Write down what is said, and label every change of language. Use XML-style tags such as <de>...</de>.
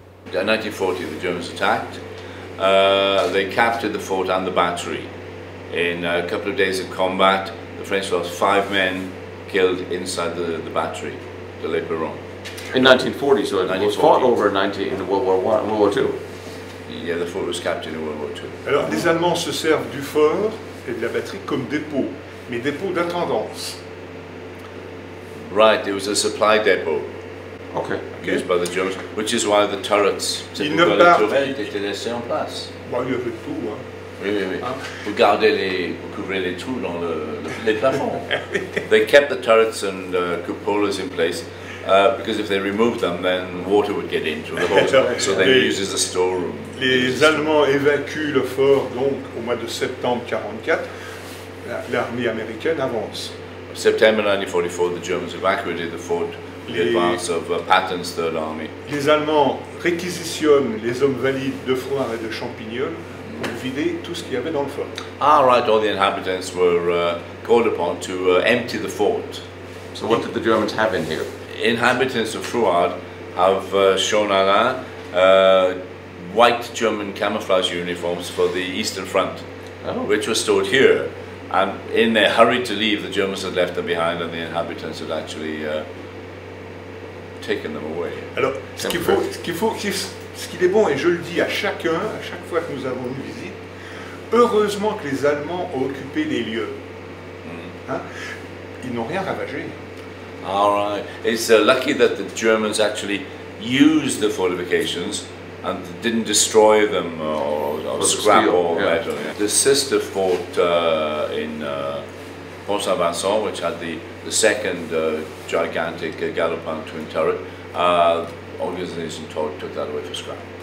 <en>In 1940 the Germans attacked. They captured the fort and the battery. In a couple of days of combat, the French lost five men killed inside the battery, de l'Éperon. In 1940, so it was fought over in World War I, World War II. Yeah, the fort was captured in World War II.</en> <fr>Alors, les Allemands se servent du fort et de la batterie comme dépôt, mais dépôt d'intendance.</fr> <en>Right, it was a supply depot. okay. used by the Germans, which is why the turrets they kept the turrets and cupolas in place because if they removed them, then water would get into the holes. So then it uses a storeroom.</en> <fr>Les Allemands évacuent le fort donc au mois de septembre 44. L'armée américaine avance.</fr> <en>September 1944, the Germans evacuated the fort. The advance of Patton's Third Army.</en> <fr>Les Allemands réquisitionnent les hommes valides de Froid et de Champignol pour vider tout ce qu'il y avait dans le fort.</fr> <en>Ah, right. All the inhabitants were called upon to empty the fort. So what did the Germans have in here? Inhabitants of Froid have shown Alain white German camouflage uniforms for the Eastern Front, which were stored here. And in their hurry to leave, the Germans had left them behind and the inhabitants had actually taken them away.</en> <fr>Alors, ce qu'il est bon, et je le dis à chacun, à chaque fois que nous avons une visite, heureusement que les Allemands ont occupé les lieux. Hein? Ils n'ont rien ravagé.</fr> <en>All right. It's lucky that the Germans actually used the fortifications and didn't destroy them or scrap steel, all that. Yeah. The sister fort in Pont-Saint-Vincent, which had the second gigantic Galopan twin turret, organization took that away for scrap.</en>